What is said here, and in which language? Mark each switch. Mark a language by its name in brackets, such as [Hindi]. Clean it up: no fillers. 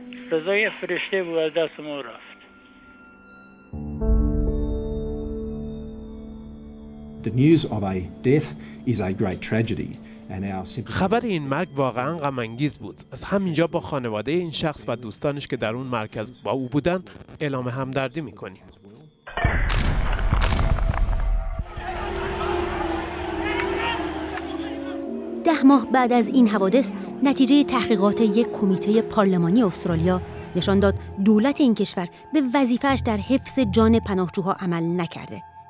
[Persian] رضا یه فرشته بود، از دست ما رفت. [English] The news of a death is a great tragedy. [Persian] خبر این مرگ واقعا غم انگیز بود. از همینجا با خانواده این شخص و دوستانش که در اون مرکز با او بودن اعلام همدردی میکنیم. ده ماه بعد از این حوادث نتیجه تحقیقات یک کمیته پارلمانی استرالیا نشان داد دولت این کشور به وظیفه‌اش در حفظ جان پناهجوها عمل نکرده.